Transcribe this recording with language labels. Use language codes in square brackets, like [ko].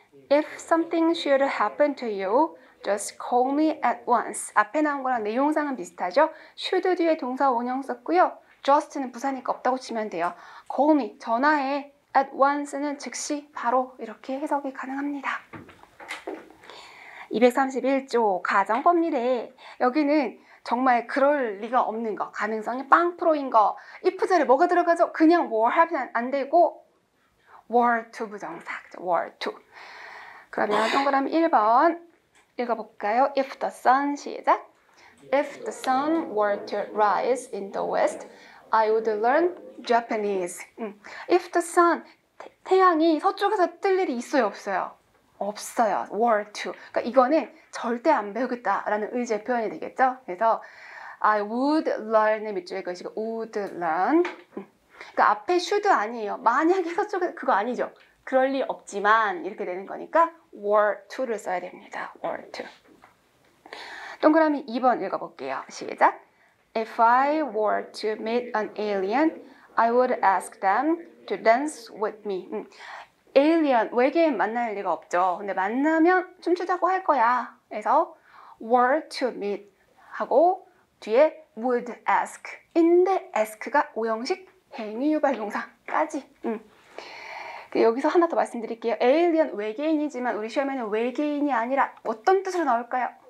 [en] If something should happen to you, just call me at once. [ko] 앞에 나온 거랑 내용상은 비슷하죠? should 뒤에 동사 원형 썼고요. just는 부사니까 없다고 치면 돼요. call me, 전화해. At once는 즉시, 바로 이렇게 해석이 가능합니다. 231조 가정법률에 여기는 정말 그럴 리가 없는 거, 가능성이 0%인 거, if 자리에 뭐가 들어가죠? 그냥 were 하면 안 되고 were to 부정사, were to. 그러면 동그라미 1번 읽어볼까요? [en] If the sun, [ko] 시작. [en] If the sun were to rise in the west, I would learn Japanese. If the sun, [ko] 태양이 서쪽에서 뜰 일이 있어요, 없어요? 없어요. Were to. 그러니까 이거는 절대 안 배우겠다라는 의지의 표현이 되겠죠? 그래서 I would learn의 밑줄의 글씨가 would learn. 그러니까 앞에 should 아니에요. 만약에 서쪽에서 그거 아니죠? 그럴 리 없지만 이렇게 되는 거니까 were to를 써야 됩니다. Were to. 동그라미 2번 읽어볼게요. 시작. [en] If I were to meet an alien, I would ask them to dance with me. [ko] Alien, 외계인 만날 리가 없죠. 근데 만나면 춤추자고 할 거야. 그래서 were to meet 하고 뒤에 would ask. 인데 ask가 오형식 행위유발동사까지. 여기서 하나 더 말씀드릴게요. Alien, 외계인이지만 우리 시험에는 외계인이 아니라 어떤 뜻으로 나올까요?